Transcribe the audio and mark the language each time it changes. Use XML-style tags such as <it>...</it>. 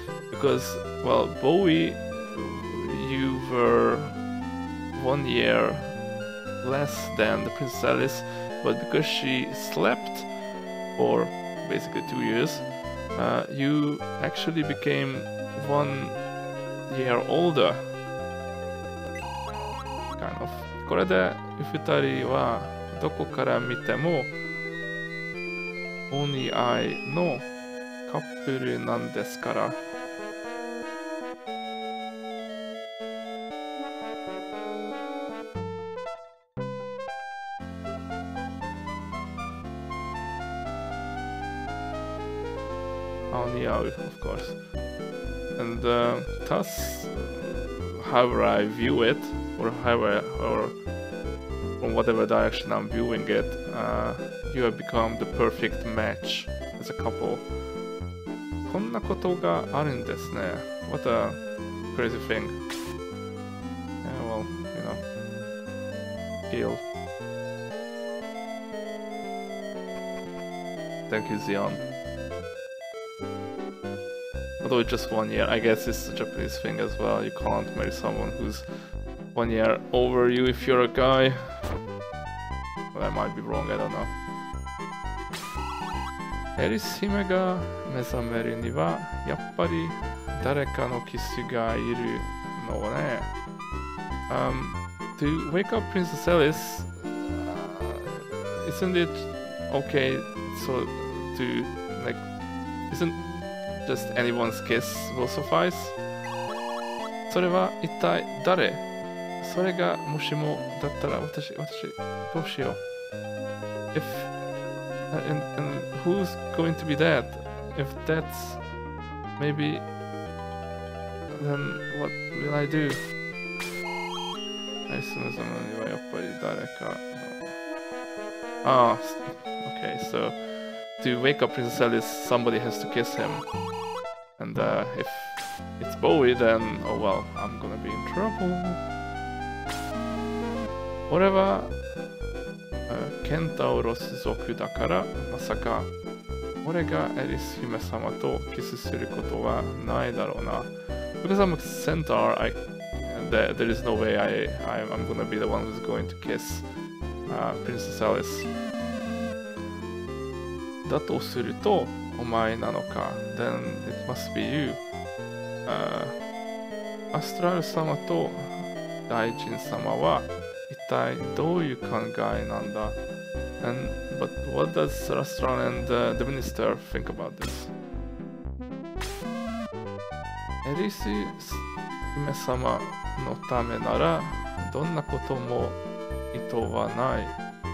<en>Because, well, Bowie, you were 1 year less than the Princess Alice, but because she slept for basically 2 years, you actually became 1 year older. Kind of.</en> <ja>これで二人はどこから見てもオニアイのカップルなんですから。</ja> <en>オニアイ、of course. And thus, however I view it, or however, or from whatever direction I'm viewing it, you have become the perfect match has a couple.</en> <ja>こんなことがあるんですね。</ja> <en>What a crazy thing. Yeah, well, you know, Gil. Thank you, Zion. Although it's just 1 year, I guess it's a Japanese thing as well. You can't marry someone who's 1 year over you if you're a guy. But I might be wrong, I don't know.</en> <ja>エリス姫が目覚めるにはやっぱり誰かのキスがいるのね。</ja> <en>To wake up Princess Alice, isn't it okay? So to like, isn't just anyone's kiss will suffice?</en> <ja>それは一体誰？それがもしもだったら私どうしよう？</ja> <en>If and who's going to be that? If that's maybe, then what will I do? I assume someone will probably die. Ah, okay. So to wake up Princess Alice, somebody has to kiss him. And if it's Bowie, then oh well, I'm gonna be in trouble. Whatever.</en> <ja>ケンタウロス族だからまさか俺がエリス姫様とキスすることはないだろうな。</ja> <en>Because I'm a centaur, there is no way I'm gonna be the one who's going to kiss、Princess Alice.</en> <ja>だとするとお前なのか。</ja> <en>Then it must be you.</en> <ja>アストラル様と大臣様は一体どういう考えなんだ。</ja> <en>And, but what does Rastron and、the minister think about this?</en> <ja>エリス姫様のためならどんなことも意図はない。</ja>